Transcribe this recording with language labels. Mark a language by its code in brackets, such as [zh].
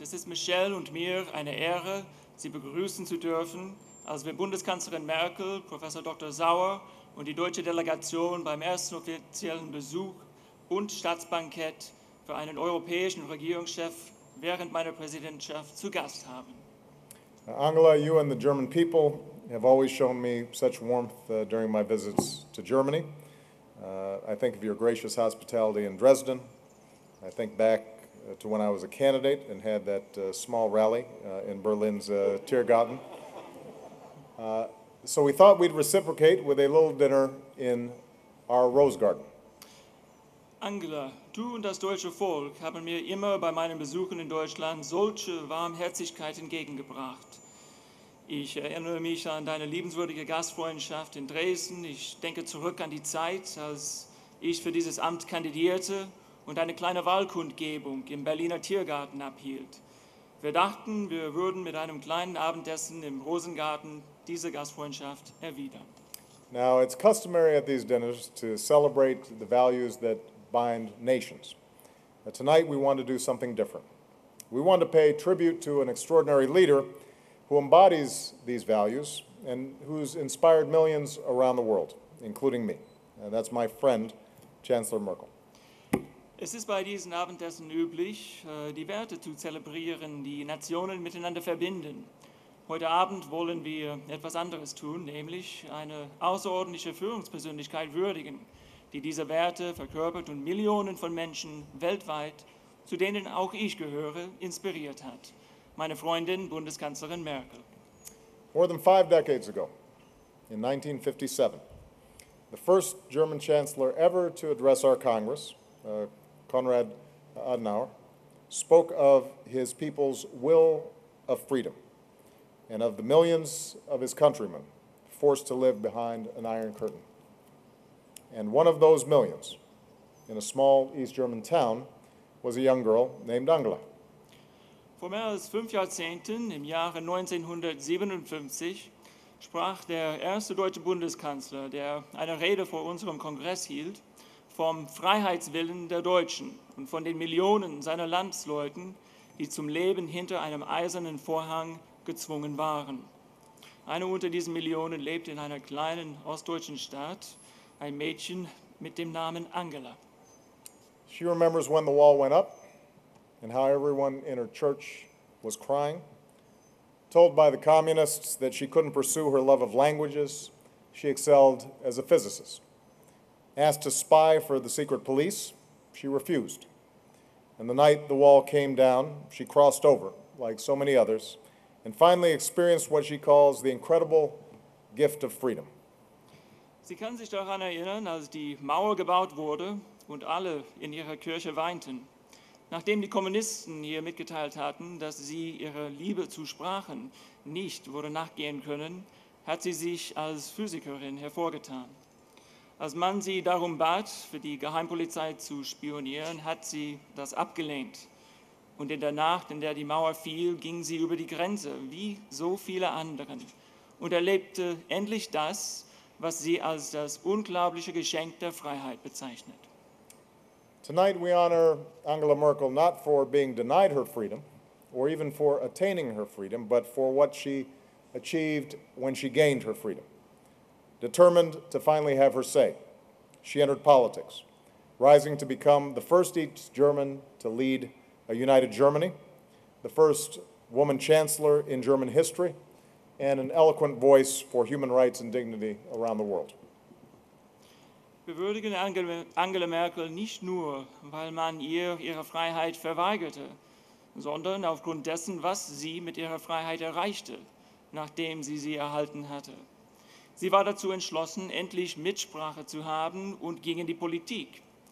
[de] Es ist Michelle und mir eine Ehre, Sie begrüßen zu dürfen, als wir Bundeskanzlerin Merkel, Professor Dr. Sauer und die deutsche Delegation beim ersten offiziellen Besuch und Staatsbankett für einen europäischen Regierungschef während meiner Präsidentschaft zu Gast haben. [en] Angela, you and the German people have always shown me such warmth during my visits to Germany. I think of your gracious hospitality in Dresden. I think back to when I was a candidate and had that small rally in Berlin's Tiergarten. So we thought we'd reciprocate with a little dinner in our Rose Garden. [de] Angela, du und das deutsche Volk haben mir immer bei meinen Besuchen in Deutschland solche Warmherzigkeit entgegengebracht. Ich erinnere mich an deine liebenswürdige Gastfreundschaft in Dresden. Ich denke zurück an die Zeit, als ich für dieses Amt kandidierte und eine kleine Wahlkundgebung im Berliner Tiergarten abhielt. Wir dachten, wir würden mit einem kleinen Abendessen im Rosengarten diese Gastfreundschaft erwidern. [en] Now, it's customary at these dinners to celebrate the values that bind nations. But tonight, we want to do something different. We want to pay tribute to an extraordinary leader who embodies these values and who's inspired millions around the world, including me. And that's my friend, Chancellor Merkel. [de] Es ist bei diesen Abendessen üblich, die Werte zu zelebrieren, die Nationen miteinander verbinden. Heute Abend wollen wir etwas anderes tun, nämlich eine außerordentliche Führungspersönlichkeit würdigen, die diese Werte verkörpert und Millionen von Menschen weltweit, zu denen auch ich gehöre, inspiriert hat. Meine Freundin, Bundeskanzlerin Merkel. [en] More than five decades ago, in 1957, the first German Chancellor ever to address our Congress, Konrad Adenauer, spoke of his people's will of freedom and of the millions of his countrymen forced to live behind an iron curtain. And one of those millions, in a small East German town, was a young girl named Angela. [de] Vor mehr als fünf Jahrzehnten, im Jahre 1957, sprach der erste deutsche Bundeskanzler, der eine Rede vor unserem Kongress hielt, vom Freiheitswillen der Deutschen und von den Millionen seiner Landsleuten, die zum Leben hinter einem eisernen Vorhang gezwungen waren. Eine unter diesen Millionen lebte in einer kleinen ostdeutschen Stadt, ein Mädchen mit dem Namen Angela. [en] She remembers when the wall went up and how everyone in her church was crying, told by the communists that she couldn't pursue her love of languages, she excelled as a physicist. Asked to spy for the secret police, she refused. And the night the wall came down, she crossed over, like so many others, and finally experienced what she calls the incredible gift of freedom. [de] Sie kann sich daran erinnern, als die Mauer gebaut wurde und alle in ihrer Kirche weinten, nachdem die Kommunisten ihr mitgeteilt hatten, dass sie ihrer Liebe zu Sprachen nicht würde nachgehen können, hat sie sich als Physikerin hervorgetan. Als man sie darum bat, für die Geheimpolizei zu spionieren, hat sie das abgelehnt. Und in der Nacht, in der die Mauer fiel, ging sie über die Grenze, wie so viele anderen, und erlebte endlich das, was sie als das unglaubliche Geschenk der Freiheit bezeichnet. [en] Tonight we honor Angela Merkel not for being denied her freedom, or even for attaining her freedom, but for what she achieved when she gained her freedom. Determined to finally have her say, she entered politics, rising to become the first East German to lead a united Germany, the first woman chancellor in German history, and an eloquent voice for human rights and dignity around the world. [de] Wir würdigen Angela Merkel nicht nur, weil man ihr ihre Freiheit verweigerte, sondern aufgrund dessen, was sie mit ihrer Freiheit erreichte, nachdem sie sie erhalten hatte. Sie war dazu entschlossen, endlich Mitsprache zu haben und ging in die Politik.